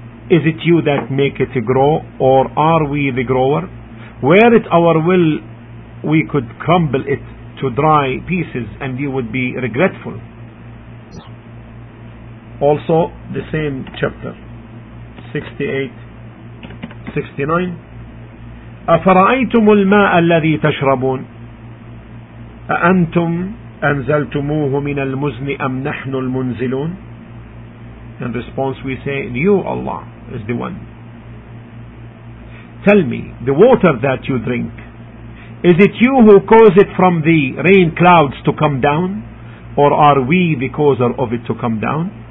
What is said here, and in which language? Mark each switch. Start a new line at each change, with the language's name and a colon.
English: Is it you that make it grow or are we the grower? Were it our will we could crumble it to dry pieces and you would be regretful. Also the same chapter 68-69
Arabic: أفرأيتم الماء الذي تشربون أأنتم أنزلتموه من المزن أم نحن المنزلون.
English: In response we say you Allah is the one. Tell me, the water that you drink, is it you who cause it from the rain clouds to come down, or are we the causer of it to come down?